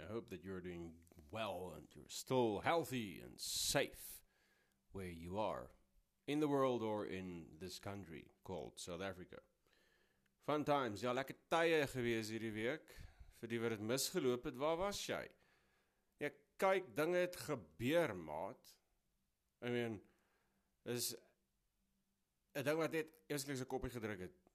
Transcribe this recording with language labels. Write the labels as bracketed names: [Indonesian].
[English] I hope that you're doing well and you're still healthy and safe where you are in the world or in this country called South Africa. Fun times. [Afrikaans] Ja, lekker tye gewees hierdie week. Vir die wat het misgeloop het, waar was jy? Ja, kyk, dinge het gebeur, maat. I mean, is een ding wat net eerstelijk sy kopie gedruk het.